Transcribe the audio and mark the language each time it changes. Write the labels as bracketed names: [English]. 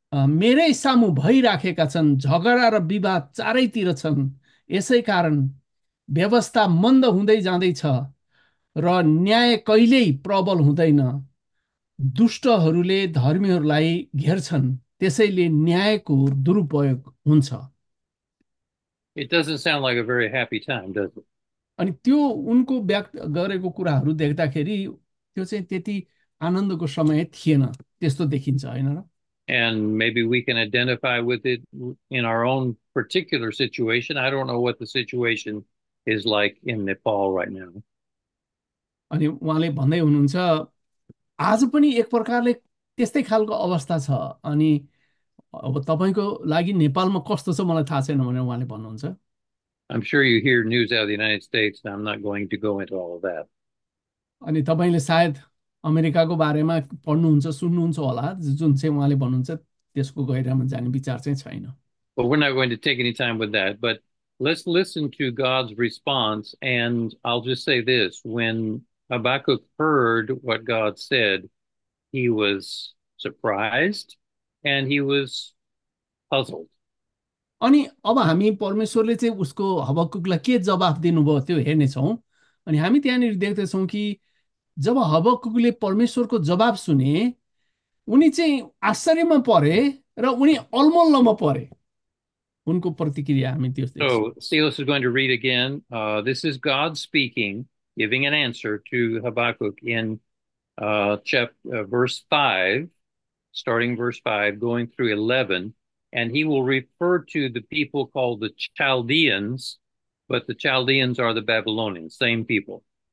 [Nepali] मेरै सामु भइराखेका छन् झगडा र विवाद चारैतिर छन् यसै कारण व्यवस्था मन्द हुँदै जाँदैछ र न्याय कहिल्यै प्रबल हुँदैन दुष्टहरूले धर्मीहरूलाई घेर्छन् त्यसैले न्यायको दुरुपयोग हुन्छ। [English] It doesn't sound like a very happy time, does it? [Nepali] अनि त्यो उनको व्यक्त गरेको कुराहरू देख्दाखेरि त्यो चाहिँ त्यति आनन्दको समय थिएन त्यस्तो देखिन्छ, होइन र? [English] And maybe we can identify with it in our own particular situation. I don't know what the situation is like in Nepal right now. [Nepali] अनि उहाँले भन्दै हुनुहुन्छ आज पनि एक प्रकारले त्यस्तै खालको अवस्था छ, अनि अब तपाईँको लागि नेपालमा कस्तो छ मलाई थाहा छैन भनेर उहाँले भन्नुहुन्छ। [English] I'm sure you hear news out of the United States, and I'm not going to go into all of that. [Nepali] अनि तपाईँले सायद अमेरिकाको बारेमा पढ्नुहुन्छ सुन्नुहुन्छ होला, जुन चाहिँ उहाँले भन्नुहुन्छ त्यसको गहिरामा जाने विचार चाहिँ छैन। [English] But we're not going to take any time with that. But let's listen to God's response. And I'll just say this: when Habakkuk heard what God said, he was surprised and he was puzzled. [Nepali] अनि अब हामी परमेश्वरले चाहिँ उसको हबक्कुकलाई के जवाफ दिनुभयो त्यो हेर्नेछौँ। अनि हामी त्यहाँनिर देख्दछौँ कि जब हबक्कुकले परमेश्वरको जवाफ सुने उनी चाहिँ आश्चर्यमा परे र उनी अल्मल्लमा परे, उनको प्रतिक्रिया हामी त्यो [English] So, [Nepali] देख्छौँ। [English] Silas is going to read again. This is God speaking, giving an answer to Habakkuk in verse 5, starting verse 5, going through 11. And he will refer to the people called the Chaldeans, but the Chaldeans are the Babylonians, same people.